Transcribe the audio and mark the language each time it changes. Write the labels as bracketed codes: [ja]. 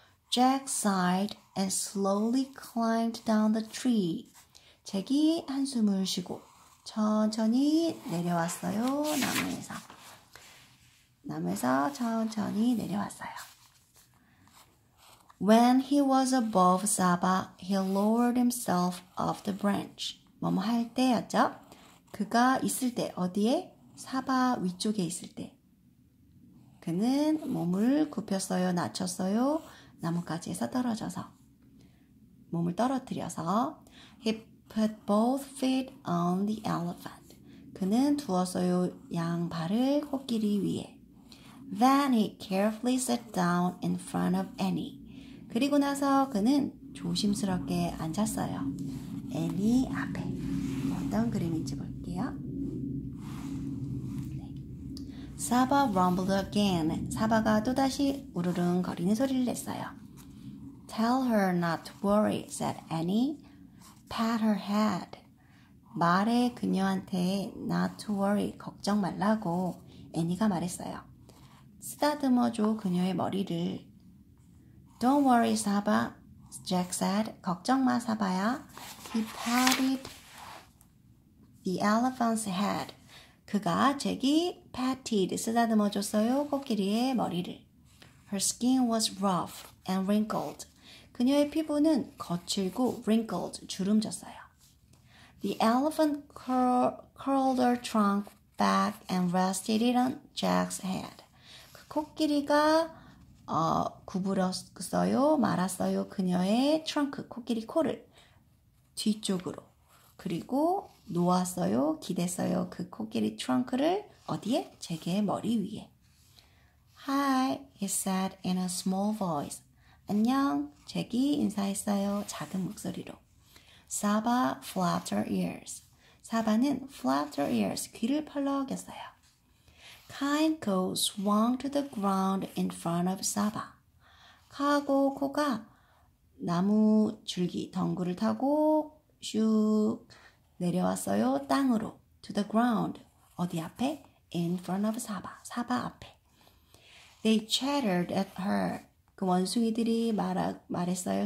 [en] Jack sighed and slowly climbed down the tree. [ko] 잭이 한숨을 쉬고 천천히 내려왔어요, 나무에서. 나무에서 천천히 내려왔어요. [en] When he was above Saba, he lowered himself off the branch. [ko] 뭐뭐 할 때였죠? 그가 있을 때, 어디에? 사바 위쪽에 있을 때. 그는 몸을 굽혔어요, 낮췄어요. 나뭇가지에서 떨어져서. 몸을 떨어뜨려서. He [en] Put both feet on the elephant. [ko] 그는 두었어요 양 발을 코끼리 위에. [en] Then he carefully sat down in front of Annie. [ko] 그리고 나서 그는 조심스럽게 앉았어요. Annie 앞에. 어떤 그림인지 볼게요. 네. [en] Saba rumbled again. [ko] 사바가 또다시 우르릉거리는 소리를 냈어요. [en] Tell her not to worry, said Annie. Pat her head. [ko] 말해 그녀한테 [en] not to worry, [ko] 걱정 말라고 애니가 말했어요. 쓰다듬어줘 그녀의 머리를. [en] Don't worry, Saba, Jack said. [ko] 걱정 마, 사바야. [en] He patted the elephant's head. [ko] 그가 잭이 patted, 쓰다듬어줬어요, 코끼리의 머리를. [en] Her skin was rough and wrinkled. [ko] 그녀의 피부는 거칠고 [en] wrinkled, [ko] 주름졌어요. [en] The elephant curled her trunk back and rested it on Jack's head. [ko] 그 코끼리가 구부렸어요, 말았어요. 그녀의 트렁크, 코끼리 코를 뒤쪽으로. 그리고 놓았어요, 기댔어요. 그 코끼리 트렁크를 어디에? 제게 머리 위에. [en] Hi, he said in a small voice. [ko] 안녕, 잭이 인사했어요. 작은 목소리로. [en] Saba flapped her ears. [ko] 사바는 [en] flapped her ears, [ko] 귀를 펄럭였어요. [en] Kind Ko swung to the ground in front of Saba. [ko] 카고 코가 나무 줄기, 덩굴을 타고 슉 내려왔어요. 땅으로. [en] To the ground. [ko] 어디 앞에? [en] In front of Saba. [ko] 사바 앞에. [en] They chattered at her. [ko] 그 원숭이들이 말했어요.